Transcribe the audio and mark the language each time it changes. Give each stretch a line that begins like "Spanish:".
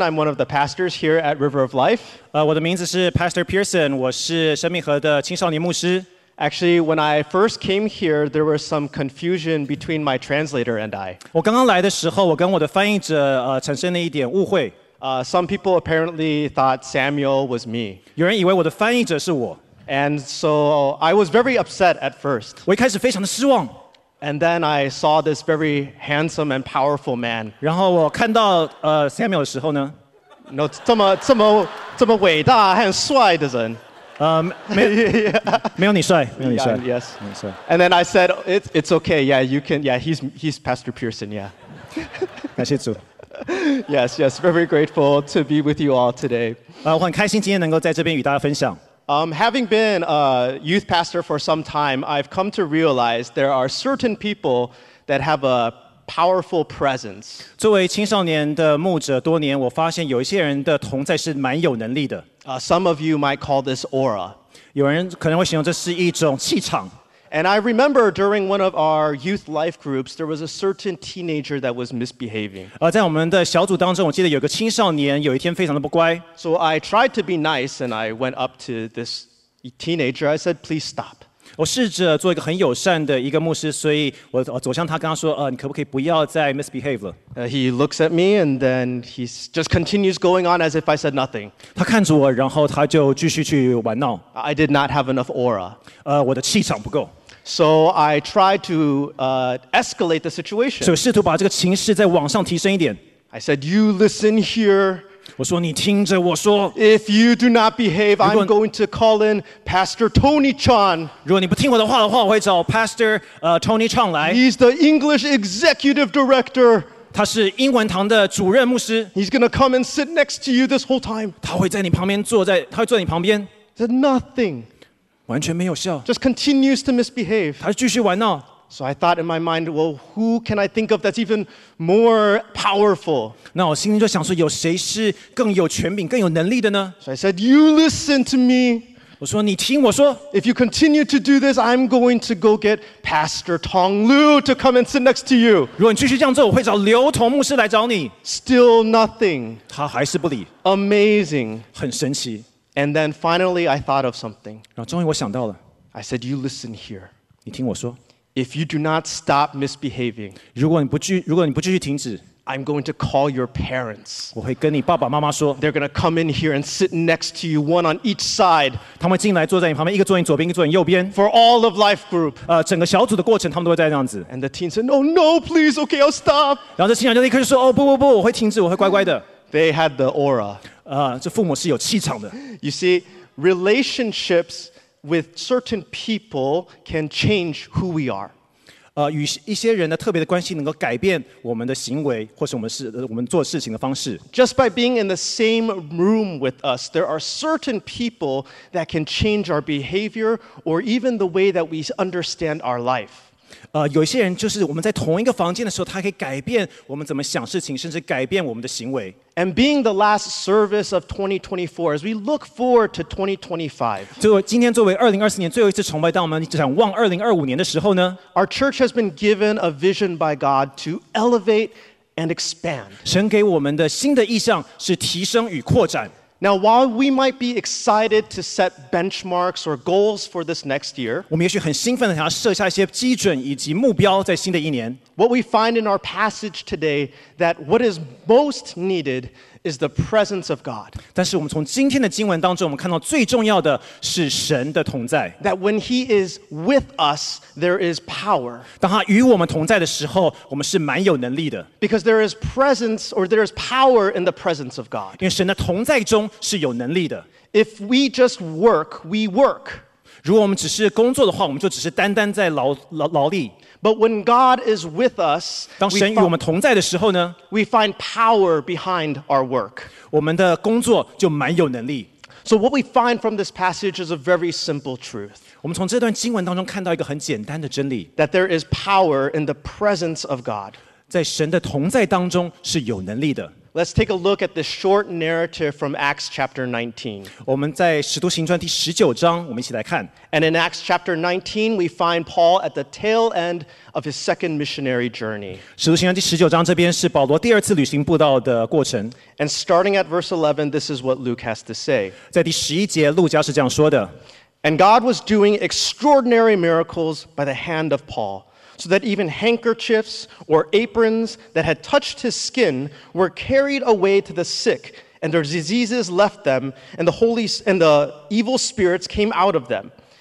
English: I'm one of the pastors here at River of Life.
Chinese: 我的名字是 Pastor Pearson. 我是生命河的青少年牧师。
English: Actually, when I first came here, there was some confusion between my translator and I.
Chinese: 我刚刚来的时候，我跟我的翻译者产生了一点误会。
English: Some people apparently thought Samuel was me.
Chinese: 有人以为我的翻译者是我。
English: And so I was very upset at first.
Chinese: 我一开始非常的失望。
English: And then I saw this very handsome and powerful man.
Chinese: 然后我看到Samuel 的时候呢 no, 这么伟大很帅的人。没有你帅，没有你帅。
English: Yeah, yes. And then I said, it's okay. Yeah, you can. Yeah, he's Pastor Pearson. Yeah.
Chinese: 感谢主。
English: Yes, yes. Very grateful to be with you all today.
Chinese: 我很开心今天能够在这边与大家分享。
English: Having been a youth pastor for some time, I've come to realize there are certain people that have a powerful presence.
Chinese: 作为青少年的牧者多年，我发现有一些人的同在是蛮有能力的。
English: Some of you might call this aura.
Chinese: 有人可能会形容这是一种气场。
English: And I remember during one of our youth life groups, there was a certain teenager that was misbehaving.
Chinese: 在我们的小组当中，我记得有个青少年有一天非常的不乖。
English: So I tried to be nice, and I went up to this teenager. I said, "Please stop."
Chinese: 我试着做一个很友善的一个牧师，所以我走向他，跟他说，你可不可以不要再 misbehave 了？
English: He looks at me, and then he just continues going on as if I said nothing.
Chinese: 他看着我，然后他就继续去玩闹。
English: I did not have enough aura.
Chinese: 我的气场不够。
English: So I tried to escalate the situation.
Chinese: 所以试图把这个情势再往上提升一点。
English: I said, "You listen here."
Chinese: 我说你听着，我说。
English: If you do not behave, I'm going to call in Pastor Tony Chan.
Chinese: 如果你不听我的话的话，我会找 Pastor Tony Chan 来。
English: He's the English Executive Director.
Chinese: 他是英文堂的主任牧师。
English: He's going to come and sit next to you this whole time.
Chinese: 他会在你旁边坐在，他会坐在你旁边。
English: He said nothing.
Chinese: 完全没有效。
English: Just continues to misbehave.
Chinese: 他继续玩闹。
English: So I thought in my mind, well, who can I think of that's even more powerful?
Chinese: 那我心里就想说，有谁是更有权柄、更有能力的呢？
English: So I said, "You listen to me."
Chinese: 我说你听我说。
English: If you continue to do this, I'm going to go get Pastor Tong Lu to come and sit next to you.
Chinese: 如果你继续这样做，我会找刘同牧师来找你。
English: Still nothing.
Chinese: 他还是不理。
English: Amazing.
Chinese: 很神奇。
English: And then finally, I thought of something.
Chinese: 然后终于我想到了。
English: I said, "You listen here."
Chinese: 你听我说。
English: If you do not stop misbehaving,
Chinese: 如果你不继续停止
English: ，I'm going to call your parents.
Chinese: 我会跟你爸爸妈妈说。
English: They're going to come in here and sit next to you, one on each side.
Chinese: 他们进来坐在你旁边，一个坐你左边，一个坐你右边。
English: For all of life group.
Chinese: 整个小组的过程，他们都会在这样子。
English: And the teen said, "No, no, please, okay, I'll stop."
Chinese: 然后这青少年立刻就说，哦，不不不，我会停止，我会乖乖的。
English: They had the aura.
Chinese: 这父母是有气场的。
English: You see, relationships with certain people can change who we are.
Chinese: 与一些人的特别的关系能够改变我们的行为，或是我们做事情的方式。
English: Just by being in the same room with us, there are certain people that can change our behavior or even the way that we understand our life.
Chinese: 有一些人就是我们在同一个房间的时候，他可以改变我们怎么想事情，甚至改变我们的行为。
English: And being the last service of 2024, as we look forward to 2025,
Chinese: 今天作为2024年最后一次崇拜，当我们展望2025年的时候呢，
English: our church has been given a vision by God to elevate and expand.
Chinese: 神给我们的新的意向是提升与扩展。
English: Now, while we might be excited to set benchmarks or goals for this next year,
Chinese: 我们也许很兴奋地想要设下一些基准以及目标在新的一年。
English: What we find in our passage today that what is most needed is the presence of God.
Chinese: 但是我们从今天的经文当中，我们看到最重要的是神的同在。
English: That when He is with us, there is power.
Chinese: 当他与我们同在的时候，我们是蛮有能力的。
English: Because there is presence or there is power in the presence of God.
Chinese: 因为神的同在中是有能力的。
English: If we just work, we work.
Chinese: 如果我们只是工作的话，我们就只是单单在劳力。
English: But when God is with us,
Chinese: 当神与我们同在的时候呢，
English: we find power behind our work.
Chinese: 我们的工作就蛮有能力。
English: So what we find from this passage is a very simple truth.
Chinese: 我们从这段经文当中看到一个很简单的真理。
English: That there is power in the presence of God.
Chinese: 在神的同在当中是有能力的。
English: Let's take a look at this short narrative from Acts chapter 19.
Chinese: 我们在使徒行传第十九章，我们一起来看。
English: And in Acts chapter 19, we find Paul at the tail end of his second missionary journey.
Chinese: 使徒行传第十九章这边是保罗第二次旅行布道的过程。
English: And starting at verse 11, this is what Luke has to say.
Chinese: 在第十一节，路加是这样说的。
English: And God was doing extraordinary miracles by the hand of Paul. So that even handkerchiefs or aprons that had touched his skin were carried away to the sick, and their diseases left them, and the evil spirits came out of them.